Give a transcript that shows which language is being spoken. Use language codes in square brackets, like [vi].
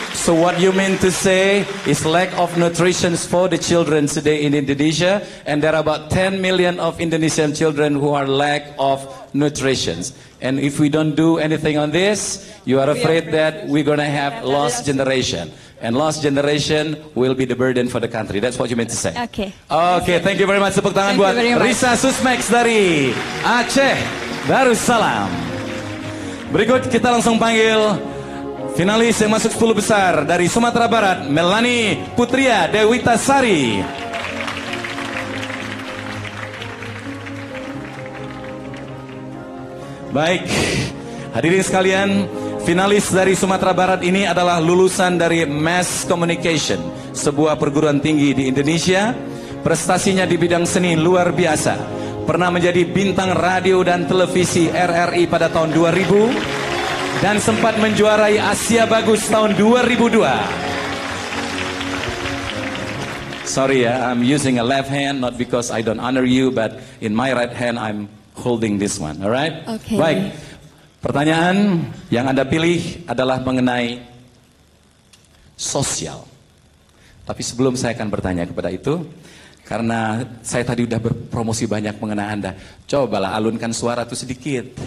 [en] So what you mean to say is lack of nutrition for the children today in Indonesia. And there are about 10 million of Indonesian children who are lack of nutrition. And if we don't do anything on this, you are afraid that we're going to have lost generation. And lost generation will be the burden for the country. That's what you meant to say. Okay, thank you very much. [id] Tepuk tangan buat Risa Susmek dari Aceh Darussalam. Berikut kita langsung panggil finalis yang masuk 10 besar dari Sumatera Barat, Melani Putria Dewita Sari. Baik, hadirin sekalian, finalis dari Sumatera Barat ini adalah lulusan dari Mass Communication, sebuah perguruan tinggi di Indonesia. Prestasinya di bidang seni luar biasa. Pernah menjadi bintang radio dan televisi RRI pada tahun 2000 dan sempat menjuarai Asia Bagus tahun 2002. [en] Sorry ya, I'm using a left hand not because I don't honor you, but in my right hand I'm holding this one, alright? Okay. [id] Baik, pertanyaan yang Anda pilih adalah mengenai sosial. Tapi sebelum saya akan bertanya kepada itu, karena saya tadi sudah berpromosi banyak mengenai Anda, cobalah alunkan suara itu sedikit.